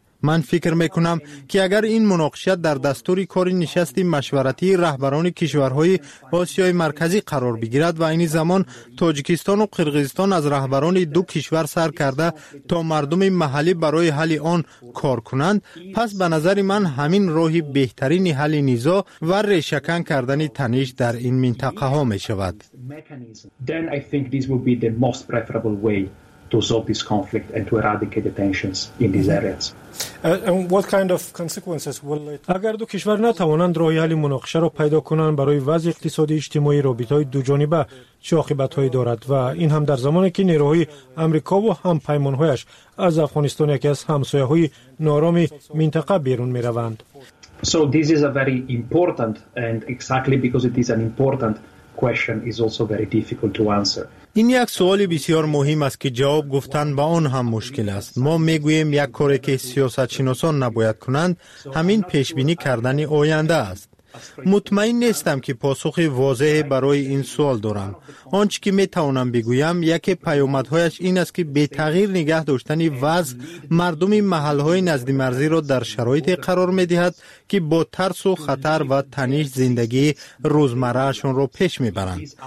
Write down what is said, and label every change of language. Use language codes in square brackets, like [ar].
[fa] من فکر میکنم که اگر این مناقشه در دستوری کاری نشست مشورتی رهبران کشورهای آسیای مرکزی قرار بگیرد و این زمان تاجیکستان و قرقیزستان از رهبران دو کشور سر کرده تا مردم محلی برای حل آن کار کنند، پس به نظر من همین راهی بهترین حل نزاع و ریشه‌کن کردن تنش در این منطقه ها می شود. [en] To solve this conflict and to eradicate the tensions in these areas. And what kind of consequences will it? [fa] اگر دو کشور نتوانند راه حل مناقشه را پیدا کنند، برای وضع اقتصادی اجتماعی رابطه‌های دو جانبه چه عاقبت‌هایی دارد؟ و این هم در زمانی که نیروهای آمریکا و هم پیمان‌هایش از افغانستان، یکی از همسایه‌های نارام منطقه، بیرون می‌روند. [en] So this is a very important and exactly because it is an important question is also very difficult to answer. [fa] این یک سوال بسیار مهم است که جواب گفتن با آن هم مشکل است. ما میگوییم یک کاری که سیاست شناسان نباید کنند همین پیش بینی کردن آینده است. مطمئن نیستم که پاسخ واضح برای این سوال دارم. آنچه که می توانم بگویم، یک پیامدهایش این است که به تغییر نگه داشتن وضع مردم محل های نزد مرزی را در شرایط قرار می دهد که با ترس و خطر و تنش زندگی روزمرهشون را پیش می برند.